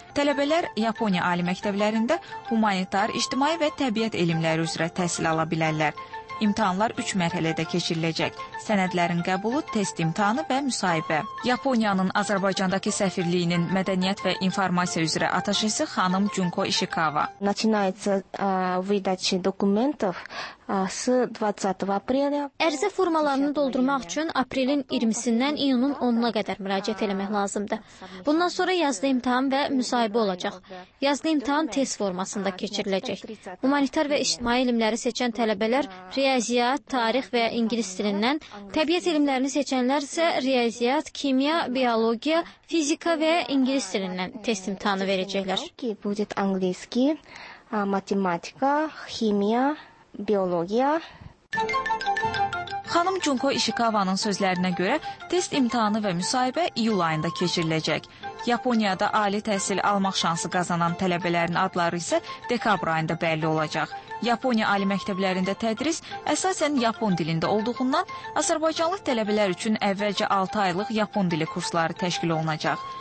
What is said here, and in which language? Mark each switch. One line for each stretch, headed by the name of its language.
Azerbaijani: Tələbələr Yaponiya ali məktəblərində humanitar, ictimai və təbiət elmləri üzrə təhsil ala bilərlər. İmtahanlar 3 mərhələdə keçiriləcək. Sənədlərin qəbulu, test imtahanı və müsahibə. Yaponiyanın Azərbaycandakı səfirliyinin mədəniyyət və informasiya üzrə ataşəsi xanım Junko Ishikawa.
Russian: Начинается выдача документов с 20 апреля.
Azerbaijani: Ərizə formalarını doldurmaq üçün aprelin 20-sindən iyunun 10-una qədər müraciət etmək lazımdır. Bundan sonra yazılı imtahan və müsahibə olacaq. Yazılı imtahan test formasında keçiriləcək. Humanitar və ictimai elmləri seçən tələbələr riyaziyyat, tarix və ingilis dilindən, təbiət elmlərini seçənlər isə riyaziyyat, kimya, biologiya, fizika və ingilis dilindən test imtahanı verəcəklər.
Russian: Будет английский, математика, химия, биология.
Azerbaijani: Xanım Junko Ishikawa'nın sözlərinə görə test imtahanı və müsahibə iyul ayında keçiriləcək. Yaponiyada ali təhsil almaq şansı qazanan tələbələrin adları isə dekabr ayında bəlli olacaq. Yaponiya ali məktəblərində tədris əsasən yapon dilində olduğundan azərbaycanlı tələbələr üçün əvvəlcə 6 aylıq yapon dili kursları təşkil olunacaq.